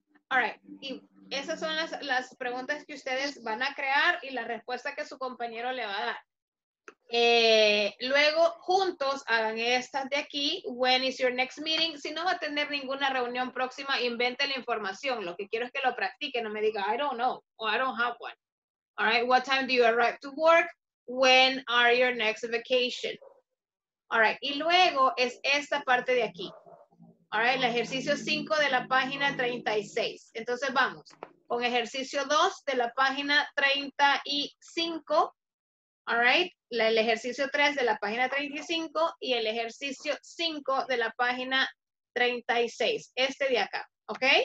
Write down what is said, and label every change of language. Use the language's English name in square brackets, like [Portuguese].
[English] All right. [Spanish] Esas son las preguntas que ustedes van a crear y la respuesta que su compañero le va a dar. Luego, juntos, hagan estas de aquí. [English] When is your next meeting? [Spanish] Si no va a tener ninguna reunión próxima, invente la información. Lo que quiero es que lo practique. No me diga, [English] I don't know, or I don't have one. All right, what time do you arrive to work? When are your next vacation? All right, [Spanish] y luego es esta parte de aquí. All right, el ejercicio 5 de la página 36. Entonces vamos con ejercicio 2 de la página 35. [English] All right, [Spanish] el ejercicio 3 de la página 35 y el ejercicio 5 de la página 36. Este de acá. All ¿Ok?